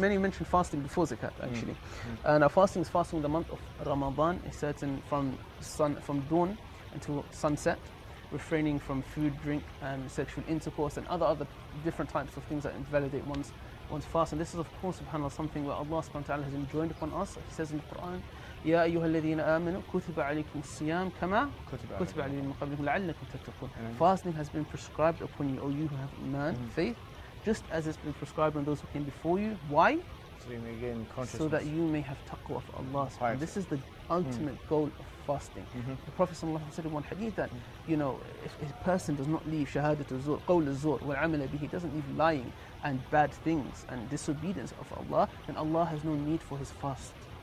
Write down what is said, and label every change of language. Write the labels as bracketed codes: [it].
[en] Many mentioned fasting before zakat, actually. Mm-hmm. And our fasting is fasting the month of Ramadan, a certain from dawn until sunset, refraining from food, drink, and sexual intercourse, and other different types of things that invalidate one's fast. And this is, of course, subhanAllah, something where Allah subhanahu wa ta'ala has enjoined upon us. He says in the Quran, [ar] يَا أَيُّهَا الَّذِينَ آمَنُوا كُتِبَ عَلَيْكُمُ الصِّيَامُ كَمَا كُتِبَ عَلَيْكُمْ مِنْ قَبْلِكُمْ لَعَلَّكُمْ تَتَّقُونَ. [en] Fasting has been prescribed upon you, O you who have iman, mm-hmm, faith, just as it's been prescribed on those who came before you. Why? So you may gain consciousness. So that you may have taqwa of Allah. And this is the ultimate goal of fasting. Mm-hmm. The Prophet ﷺ said in one hadith that, you know, if a person does not leave shahadat al-zur, qawl al-zur, wa amala bihi, doesn't leave lying and bad things and disobedience of Allah, then Allah has no need for his fast.